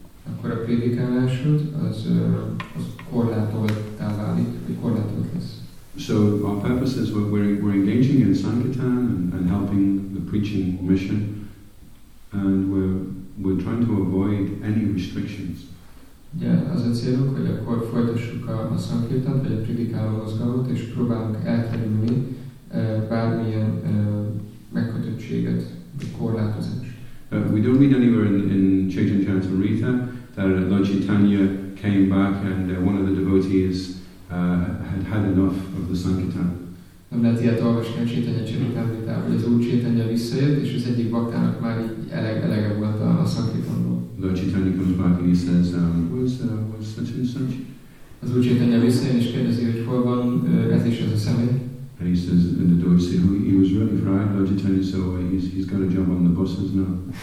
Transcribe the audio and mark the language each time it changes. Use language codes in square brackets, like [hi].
[hu] Akkor a prédikálásod az korlátoltá válik, vagy korlátolt lesz. [en] So our purpose is we're engaging in Sankirtan and helping the preaching mission, and we're trying to avoid any restrictions. [hu] Yeah, az a célunk, hogy akkor folytassuk a Sankirtant, vagy a predikáló mozgalmat, és próbálunk elkerülni bármilyen megkötöttséget, vagy korlátozást. [en] We don't read anywhere in Chaitanya Charitamrita that Lord Chaitanya came back and one of the devotees had enough of the Sankirtan. [hu] Nem lehet ilyet olvasni a Chaitanya Charitamrita, hogy az Úr Chaitanya visszajött, és az egyik baktának már így elege volt a Sankirtanból. [en] Lord Chaitanya comes back and he says, what's such and such? [hu] Az Úr Chaitanya visszajön és kérdezi, hogy hol van ez is az a személy. [en] And he says, and the devotee said, he was really frightened, Lord Chaitanya, so he's got a job on the buses now.